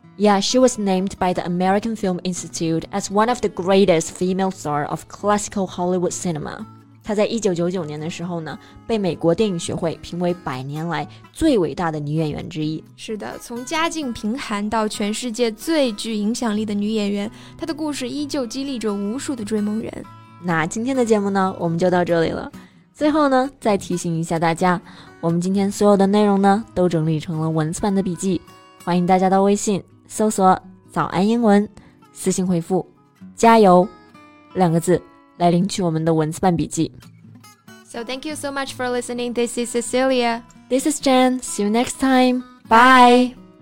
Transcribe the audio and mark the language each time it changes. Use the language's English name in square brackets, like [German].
[English] Yeah, she was named by the American Film Institute as one of the greatest female stars of classical Hollywood cinema. [Chinese] 她在1999年的时候呢，被美国电影学会评为百年来最伟大的女演员之一。是的，从家境贫寒到全世界最具影响力的女演员，她的故事依旧激励着无数的追梦人。那今天的节目呢，我们就到这里了。最后呢，再提醒一下大家，我们今天所有的内容呢，都整理成了文字版的笔记，欢迎大家到微信搜索早安英文，私信回复加油两个字来领取我们的文字版笔记。 [English] So thank you so much for listening. This is Cecilia. This is Jen. See you next time. Bye.